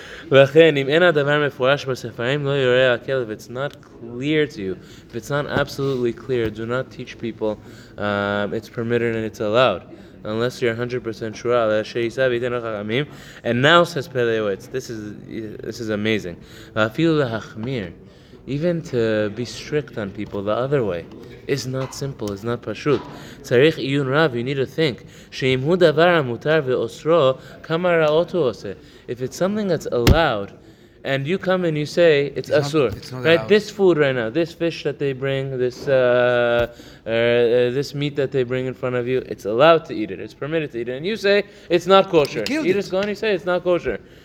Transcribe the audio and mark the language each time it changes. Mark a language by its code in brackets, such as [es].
[he] ולכן, אם אין הדבר מפורש בספרים, לא יורה הכל, [en] if it's not clear to you, if it's not absolutely clear, do not teach people, it's permitted and it's allowed, unless you're 100% sure. [he] אלא שישא ויתן לחכמים, [en] and now, says Pele Yoetz, this is amazing. [he] ואפילו להחמיר, [en] even to be strict on people the other way, is not simple, is not pashut. [he] צריך עיון רב, [en] you need to think, [he] שאם הוא דבר המותר ואוסרו, כמה רעות הוא עושה? [en] If it's something that's allowed, and you come and you say, it's asur, right? This food right now, this fish that they bring, this meat that they bring in front of you, it's allowed to eat it, it's permitted to eat it, and you say, it's not kosher. You just go and you say, it's not kosher.